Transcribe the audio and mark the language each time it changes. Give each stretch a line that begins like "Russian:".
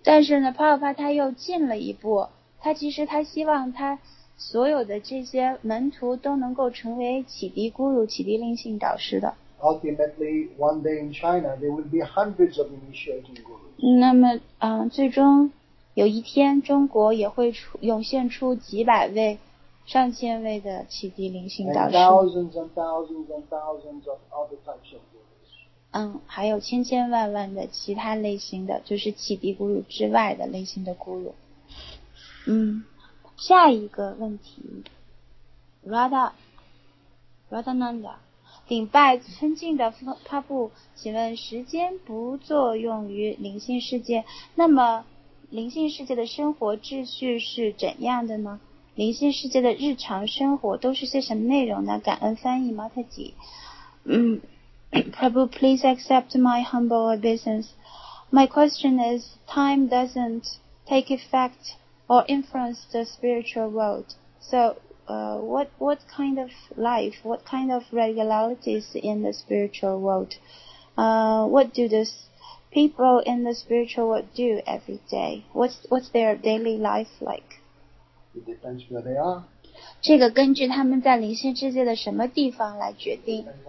Chinese: 但是呢，帕瓦帕他又进了一步。他其实他希望他所有的这些门徒都能够成为启迪 guru、启迪灵性导师的。
English: Ultimately, one day in China, there will be hundreds of initiating gurus.
Chinese: 那么，最终有一天，中国也会涌现出几百位。上千位的启迪灵性导师
English: thousands and thousands and thousands of other types of gurus.
Chinese: 还有千千万万的其他类型的就是启迪 guru 之外的类型的 guru. 下一个问题 Radhananda 顶拜尊敬的帕布，请问时间不作用于灵性世界，那么灵性世界的生活秩序是怎样的呢？灵性世界的日常生活都是些什么内容呢？感恩翻译
English: Mataji. Prabhu, please accept my humble obeisance. My question is, time doesn't take effect or influence the spiritual world. So, what kind of life, what kind of regularities in the spiritual world? What do the people in the spiritual world do every day? What's their daily life like? It depends where they are.
Chinese: 这个根据他们在灵性世界的什么地方来决定。